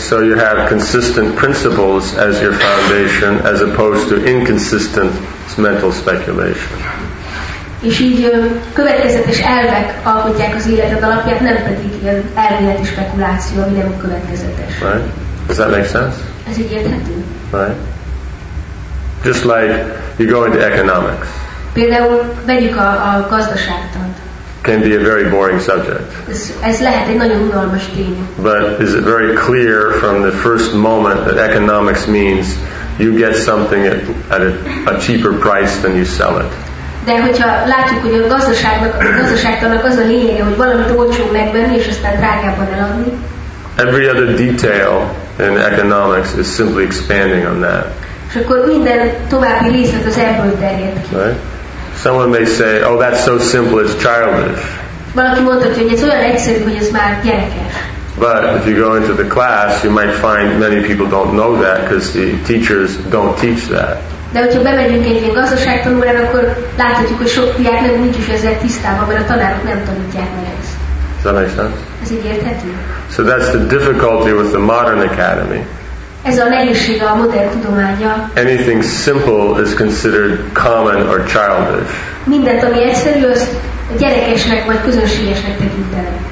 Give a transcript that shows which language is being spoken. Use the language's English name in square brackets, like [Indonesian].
[English] So you have consistent principles as your foundation, as opposed to inconsistent mental speculation. [Hungarian] És így következetes elvek alkotják az életed alapját, nem pedig ilyen elméleti spekuláció, ami nem következetes. [English] Right? Does that make sense? [Hungarian] Ez így érthető. [English] Right? Just like you go into economics. [Hungarian] Például vegyük a gazdaságtant. [English] Can be a very boring subject. [Hungarian] Ez lehet egy nagyon unalmas téma. [English] But is it very clear from the first moment that economics means you get something at a cheaper price than you sell it? [Hungarian] De hogyha látjuk, hogy a gazdaságtannak az a lényege, hogy valamit olcsó megvenni és aztán drágábban eladni. [English] Every other detail in economics is simply expanding on that. [Hungarian] És akkor minden további részlet az ebből terjed ki. [English] Someone may say, oh, that's so simple, it's childish. [Hungarian] Valaki mondhatja, hogy ez olyan egyszerű, hogy ez már gyerekes. [English] But if you go into the class, you might find many people don't know that because the teachers don't teach that. [Hungarian] De hogyha bemegyünk egy ilyen gazdaságtanulmára, akkor láthatjuk, hogy sok diák nem nincs is ezzel tisztában, mert a tanárok nem tanítják meg ezt. [English] Does that make sense? [Hungarian] Ez így érthető? [English] So that's the difficulty with the modern academy. [Hungarian] Ez a nehézség a modern tudománya. [English] Anything simple is considered common or childish. [Hungarian] Mindent, ami egyszerű, az gyerekesnek vagy közönségesnek tekintenek.